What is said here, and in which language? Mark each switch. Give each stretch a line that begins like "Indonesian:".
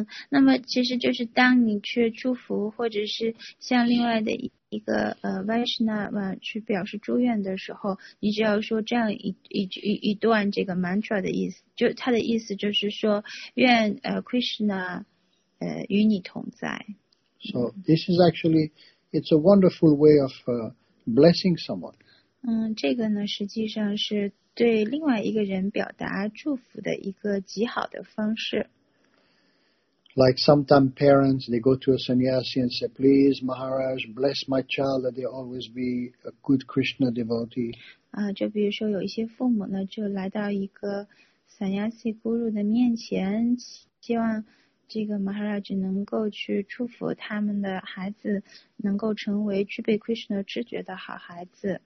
Chinese: 那么其实就是当你去祝福或者是向另外的一个Vaishnava 去表示祝愿的时候，你只要说这样一段这个 mantra 的意思，就它的意思就是说愿Krishna 与你同在。
English: So this is actually, it's a wonderful way of blessing someone.
Chinese: 这个呢实际上是对另外一个人表达祝福的一个极好的方式。
English: Like sometimes parents, they go to a sannyasi and say, please, Maharaj, bless my child that they always be a good Krishna devotee.
Chinese: 就比如说有一些父母呢就来到一个 sannyasi guru 的面前，希望这个 Maharaj 能够去祝福他们的孩子能够成为具备 Krishna 知觉的好孩子。